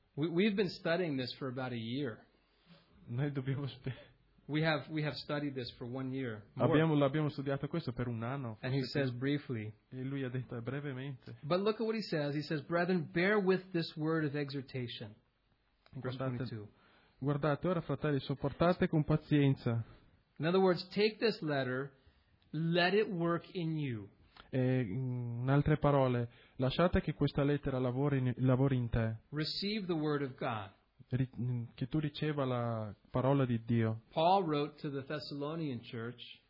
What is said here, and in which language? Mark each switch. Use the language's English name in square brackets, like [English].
[English] We've been studying this for about a year. [Italian] Noi dobbiamo [English] We have studied this for 1 year. [Italian] L'abbiamo studiato questo per un anno. [English] And he says briefly. [Italian] E lui ha detto brevemente. [English] But look at what he says. He says, brethren, bear with this word of exhortation. [Italian] Guardate ora, fratelli, sopportate con pazienza. [English] In other words, take this letter, let it work in you. [Italian] In altre parole, lasciate che questa lettera lavori in te. [English] Receive the word of God. [Italian] Che tu riceva la parola di Dio. [English] Paul wrote to the Thessalonian church.